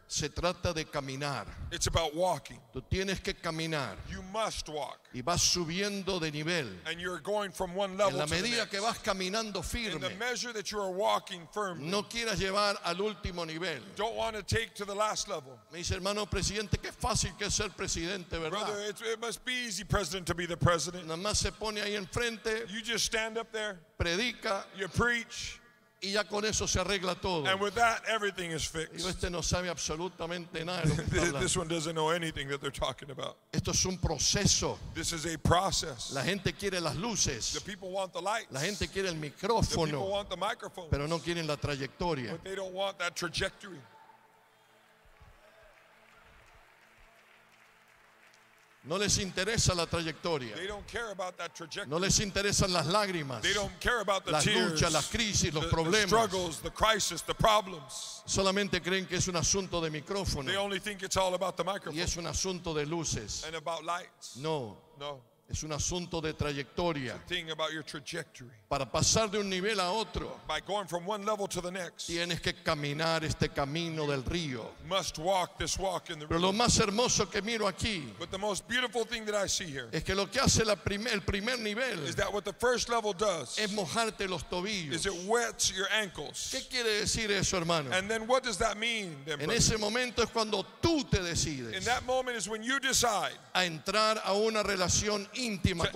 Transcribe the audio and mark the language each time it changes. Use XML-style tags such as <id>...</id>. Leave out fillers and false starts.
<es>Se trata de caminar.</es> <en>It's about walking.</en> <es>Tú tienes que caminar.</es> <en>You must walk.</en> <es>Y vas subiendo de nivel.</es> <en>And you're going from one level to the next.</en> <es>En la medida que vas caminando firme.</es> <en>In the measure that you are walking firmly.</en> <es>No quieras llevar al último nivel.</es> <en>Don't want to take to the last level.</en> <es>Me dice, hermano presidente, qué fácil que es ser presidente, ¿verdad?</es> <en>Brother, it must be easy, president, to be the president.</en> <es>Nada más se pone ahí enfrente.</es> <en>You just stand up there.</en> <es>Predica.</es> <en>You preach.</en> <es>Y ya con eso se arregla todo.</es> <en>And with that, everything is fixed.</en> <es>Y este no sabe absolutamente nada de lo que está hablando.</es> <en>This one doesn't know anything that they're talking about.</en> <es>Esto es un proceso.</es> <en>This is a process.</en> <es>La gente quiere las luces.</es> <en>The people want the lights.</en> <es>La gente quiere el micrófono.</es> <en>The people want the microphones.</en> <es>Pero no quieren la trayectoria.</es> <en>But they don't want that trajectory.</en> <es>No les interesa la trayectoria.</es> <en>They don't care about that trajectory.</en> <es>No les interesan las lágrimas.</es> <en>They don't care about the</en> <es>las</es> <en>tears,</en> <es>luchas, las crisis, los problemas.</es> <en>The struggles, the crisis, the problems.</en> <es>Solamente creen que es un asunto de micrófono.</es> <en>They only think it's all about the microphone.</en> <es>Y es un asunto de luces.</es> <en>And about lights.</en> <es>No.</es> <en>No.</en> <es>Es un asunto de trayectoria.</es> <en>It's a thing about your trajectory.</en> <es>Para pasar de un nivel a otro,</es> <en>by going from one level to the next,</en> <es>tienes que caminar este camino del río.</es> <en>Must walk this walk in the river.</en> <es>Pero lo más hermoso que miro aquí,</es> <en>but the most beautiful thing that I see here,</en> <es>es que lo que hace el primer nivel,</es> <en>is that what the first level does,</en> <es>es mojarte los tobillos,</es> <en>is it wets your ankles.</en> <es>¿Qué quiere decir eso, hermano?</es> <en>And then what does that mean, then,</en> <es>en ese momento es cuando tú te decides,</es> <en>in that moment is when you decide,</en> <es>a entrar a una relación íntima</es>